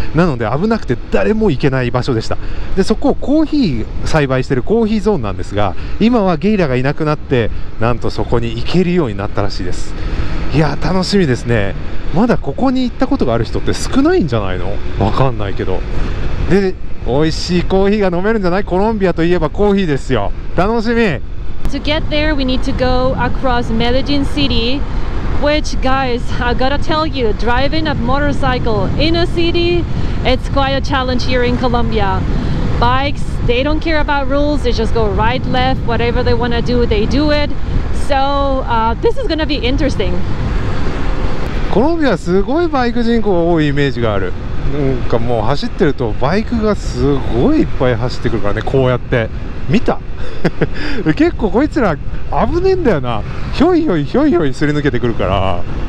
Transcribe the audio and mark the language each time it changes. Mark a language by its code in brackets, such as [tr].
[ja] なので危なくて誰も行けない場所でした。でそこをコーヒー栽培してるコーヒーゾーンなんですが、今はゲイラがいなくなってなんとそこに行けるようになったらしいです。いや楽しみですね。まだここに行ったことがある人って少ないんじゃないの、わかんないけど。で美味しいコーヒーが飲めるんじゃない、コロンビアといえばコーヒーですよ、楽しみ。 [en] To get there, we need to go across Medellin City, which, guys, I gotta tell you, driving a motorcycle in a city, it's quite a challenge here in Colombia. Bikes, they don't care about rules, they just go right, left, whatever they wanna do, they do it. So, this is gonna be interesting. [ja] コロンビアすごいバイク人口多いイメージがある。なんかもう走ってるとバイクがすごいいっぱい走ってくるからね、こうやって見た結構こいつら危ねえんだよな、ひょいひょいひょいひょいすり抜けてくるから。